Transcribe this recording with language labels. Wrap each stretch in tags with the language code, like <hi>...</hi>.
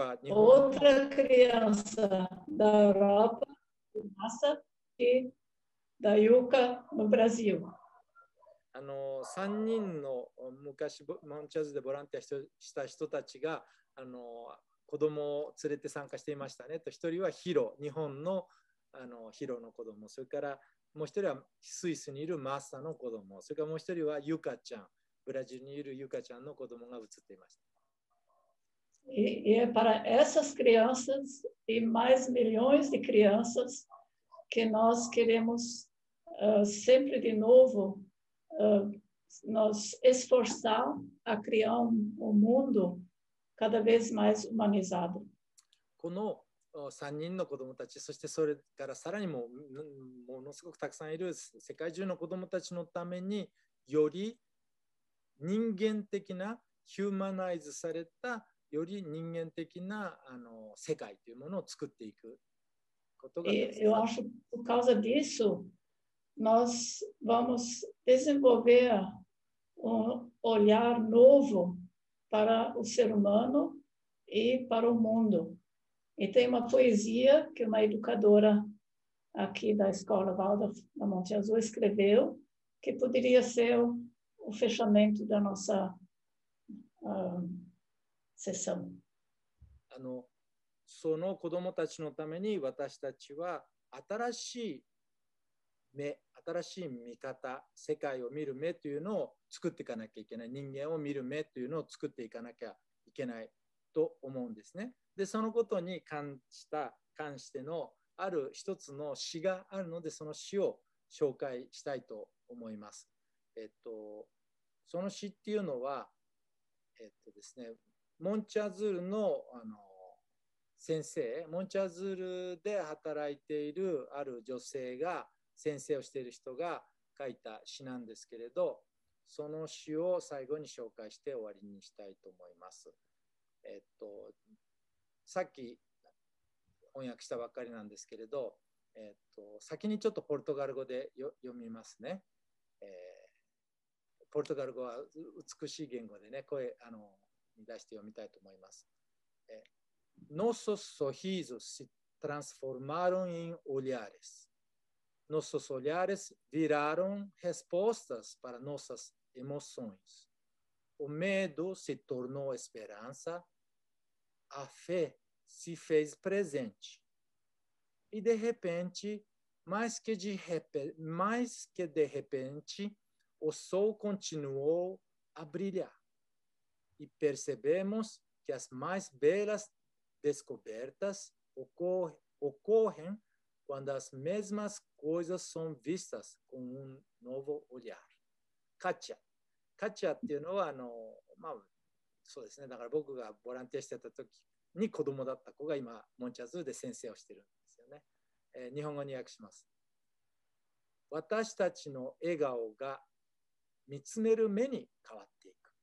<pt>Outra criança da Europa, o Massa, e da Yuka, no Brasil.</pt> <ja>3人の昔マウンチャーズでボランティアした人たちが子供を連れて参加していましたね。と1人はヒロ、日本 の, ヒロの子供、それからもう1人はスイスにいるマッサの子供、それからもう1人はユカちゃん、ブラジルにいるユカちゃんの子供が映っていました。</ja> <pt>え、para essas crianças e mais milhões de crianças que nós queremos sempre de novoNos esforçar a criar um mundo cada vez mais humanizado.</pt> <ja>この3人の子どもたち、そしてそれからさらにもものすごくたくさんいる世界中の子どもたちのために、より人間的な、ヒューマナイズされた、より人間的な世界というものを作っていくことが、</ja> <pt>eu acho por causa dissoNós vamos desenvolver um olhar novo para o ser humano e para o mundo. E tem uma poesia que uma educadora aqui da Escola Waldorf da Monte Azul escreveu, que poderia ser o fechamento da nossa sessão.</pt> <ja>その子どもたちのために私たちは新しい目、新しい見方、世界を見る目というのを作っていかなきゃいけない、人間を見る目というのを作っていかなきゃいけないと思うんですね。で、そのことに関してのある一つの詩があるので、その詩を紹介したいと思います。その詩っていうのはですね、モンチャズール の, 先生、モンチャズールで働いているある女性が、先生をしている人が書いた詩なんですけれど、その詩を最後に紹介して終わりにしたいと思います。さっき翻訳したばっかりなんですけれど、先にちょっとポルトガル語で読みますね。ポルトガル語は美しい言語でね、声に出して読みたいと思います。</ja> <pt>Nossos sorrisos se transformaram em olhares. Nossos olhares viraram respostas para nossas emoções. O medo se tornou esperança, a fé se fez presente. E de repente, mais que de repente, o sol continuou a brilhar. E percebemos que as mais belas descobertas ocorrem quando as mesmas coisas são vistas com um novo olhar. Kátia.</pt> <ja>Kátia っていうのは、まあ、そうですね。だから僕がボランティアしてた時に子供だった子が今、モンチャズーで先生をしてるんですよね。日本語に訳します。私たちの笑顔が見つめる目に変わっていく。</ja>